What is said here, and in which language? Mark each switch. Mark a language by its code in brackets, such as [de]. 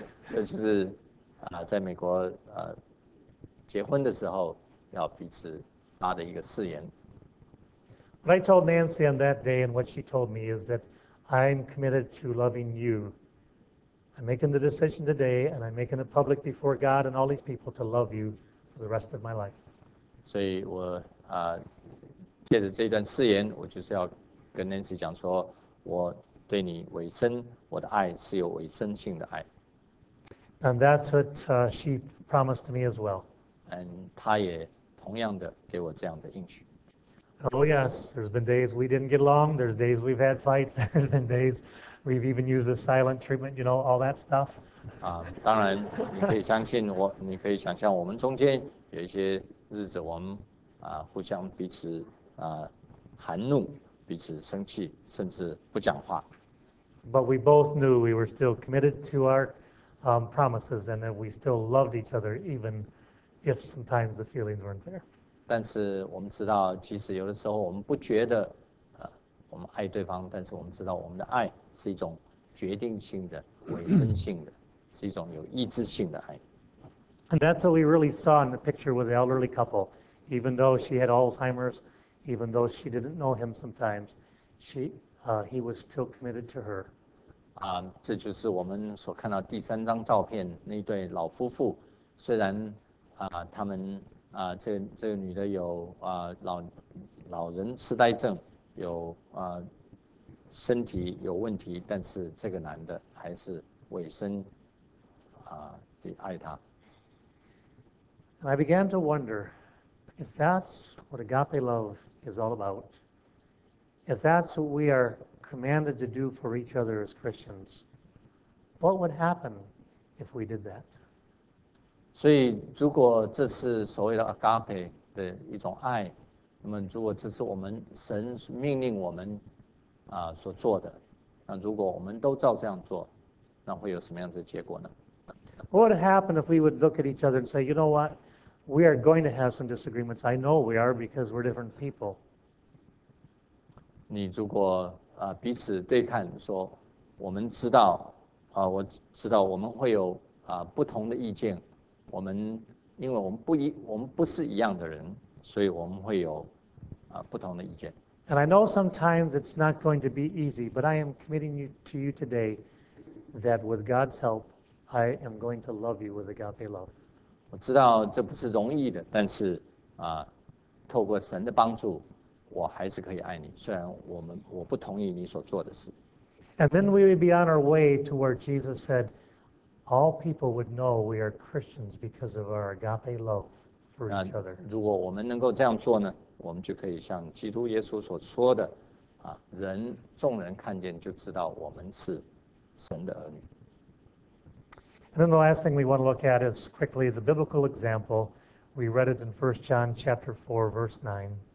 [zh] 这就是在美国结婚的时候要彼此发的一个誓言。 [en] What I told Nancy on that day and what she told me is that I'm committed to loving you. I'm making the decision today, and I'm making it public before God and all these people to love you for the rest of my life. [zh] 所以我借着这段誓言，我就是要跟 Nancy 讲说，我对你委身，我的爱是有委身性的爱。 [en] And that's what she promised me as well. [zh] And 她也同样的给我这样的应许。 [en] Oh yes, there's been days we didn't get along. There's days we've had fights. There's been days. We've even used the silent treatment, you know, all that stuff. [zh] 当然，你可以相信我，你可以想象我们中间有一些日子，我们互相彼此含怒，彼此生气，甚至不讲话。 [en] But we both knew we were still committed to our promises, and that we still loved each other, even if sometimes the feelings weren't there. [zh] 但是我们知道，即使有的时候我们不觉得。我们爱对方，但是我们知道我们的爱是一种决定性的、委身性的，是一种有意志性的爱。 [en] And that's what we really saw in the picture with the elderly couple. Even though she had Alzheimer's, even though she didn't know him sometimes, he was still committed to her. [zh] 这就是我们所看到第三张照片那对老夫妇。虽然他们这个女的有老人痴呆症。有身体有问题，但是这个男的还是委身的爱他。 [en] And I began to wonder if that's what agape love is all about, if that's what we are commanded to do for each other as Christians, what would happen if we did that? [zh] 所以，如果这是所谓的 agape 的一种爱。那么，如果这是我们神命令我们所做的，那如果我们都照这样做，那会有什么样子的结果呢？ [en] What would happen if we would look at each other and say, you know what? We are going to have some disagreements. I know we are because we're different people. [zh] 你如果彼此对看说，我们知道我知道我们会有不同的意见，我们因为我们不是一样的人，所以我们会有不同的意见。 [en] And I know sometimes it's not going to be easy, but I am committing to you today that with God's help, I am going to love you with agape love. [zh] 我知道这不是容易的，但是透过神的帮助，我还是可以爱你，虽然我不同意你所做的事。 [en] And then we would be on our way to where Jesus said, all people would know we are Christians because of our agape love for each other. [zh] 如果我们能够这样做呢，我们就可以像基督耶稣所说的，众人看见就知道我们是神的儿女。 [en] And then the last thing we want to look at is quickly the biblical example. We read it in 1 John chapter 4, verse 9.